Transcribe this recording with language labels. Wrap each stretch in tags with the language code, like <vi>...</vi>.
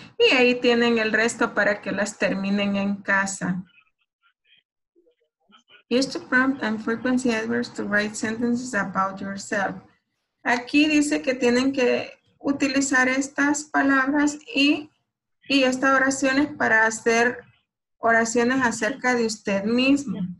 <es>Y ahí tienen el resto para que las terminen en casa.</es> <en>Use the prompt and frequency adverbs to write sentences about yourself.</en> <es>Aquí dice que tienen que utilizar estas palabras y estas oraciones para hacer oraciones acerca de usted mismo.</es>